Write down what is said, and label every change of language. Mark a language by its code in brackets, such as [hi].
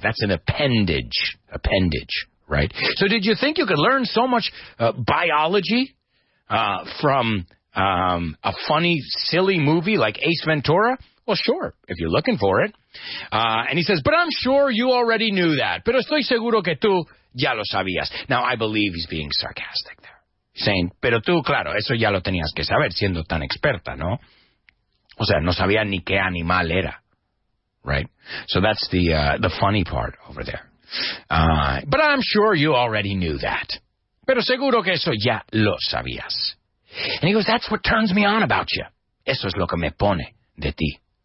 [en] That's an appendage, appendage, right? So did you think you could learn so much biology from a funny, silly movie like Ace Ventura? Well, sure, if you're looking for it. And he says, but I'm sure you already knew that. [es] Pero estoy seguro que tú ya lo sabías. [en] Now, I believe he's being sarcastic there. [es] Saying, pero tú, claro, eso ya lo tenías que saber, siendo tan experta, ¿no? O sea, no sabía ni qué animal era. [en] Right? So that's the funny part over there. But I'm sure you already knew that. [es] Pero seguro que eso ya lo sabías. [en] And he goes, that's what turns me on about you. [es] Eso es lo que me pone de ti.